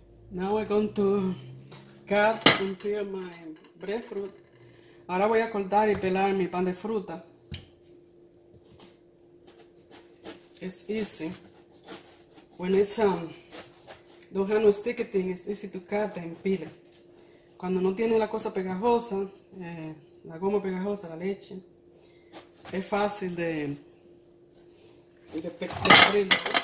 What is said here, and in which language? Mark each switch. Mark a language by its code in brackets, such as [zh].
[en] Now I'm going to cut and peel my breadfruit. [es] Ahora voy a cortar y pelar mi pan de fruta. [en] It's easy. When it's don't have no sticky thing, it's easy to cut and peel it. [es] Cuando no tiene la cosa pegajosa, la goma pegajosa, la leche, es fácil de abrirlo.